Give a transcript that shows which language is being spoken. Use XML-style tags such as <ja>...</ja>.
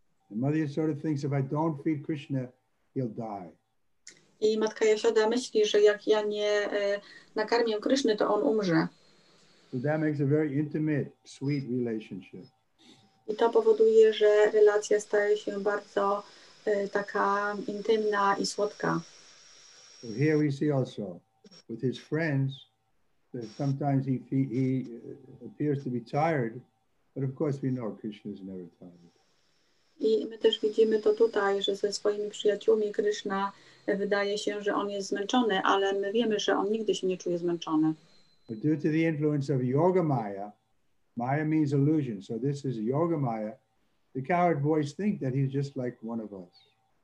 <en>Mother Yasoda thinks if I don't feed Krishna, he'll die.</en> <pl>I matka Jasioda myśli, że jak ja nie nakarmię Krishny, to on umrze.</pl> <en>So that makes a very intimate, sweet relationship.</en> <pl>I to powoduje, że relacja staje się bardzo taka intymna i słodka.</pl> <en>So here we see also with his friends that sometimes he appears to be tired, but of course we know Krishna is never tired.</en> <pl>I my też widzimy to tutaj, że ze swoimi przyjaciółmi Krishna wydaje się, że on jest zmęczony, ale my wiemy, że on nigdy się nie czuje zmęczony.</pl> <en>But due to the influence of yoga maya, maya means illusion, so this is yoga maya, the coward boys think that he's just like one of us.</en>